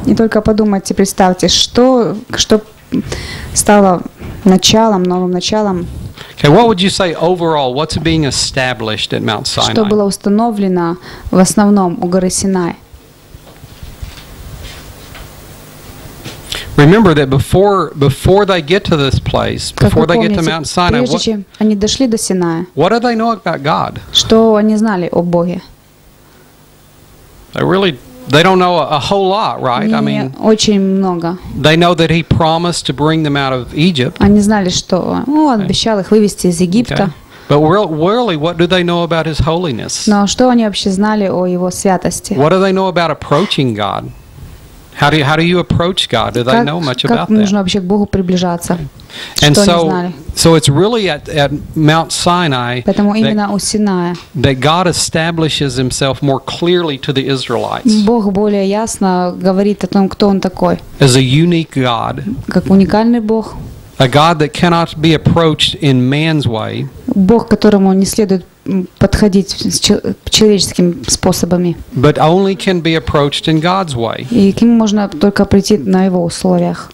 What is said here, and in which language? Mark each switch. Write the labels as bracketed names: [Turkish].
[Russian] Не только подумайте, представьте, что стало началом, новым началом. [English] Okay, what would you say overall? What's being established at Mount Sinai? [Russian] Что было установлено в основном у горы Синай? [English] Remember that before they get to this place, before they get to Mount Sinai, [Russian] они дошли до Синая. [English] What do they know about God? [Russian] Что они знали о Боге? [English] They don't know a whole lot, right? [Russian] Не, [English] I mean, [Russian] очень много. [English] They know that He promised to bring them out of Egypt. [Russian] Они знали, что Он обещал их вывести из Египта. [English] But really, what do they know about His holiness? [Russian] Но что они вообще знали о Его святости? [English] What do they know about approaching God? How do you approach God? Do they know much about that? [Russian] Как нужно вообще к Богу приближаться? [English] And so it's really at Mount Sinai. [Russian] Поэтому именно у Синая. [English] That God establishes Himself more clearly to the Israelites. [Russian] Бог более ясно говорит о том, кто Он такой. [English] As a unique God. [Russian] Как уникальный Бог. [English] A God that cannot be approached in man's way. [Russian] Бог, которому не следует подходить человеческими способами. [English] But only can be approached in God's way. [Russian] И к нему можно только прийти на Его условиях.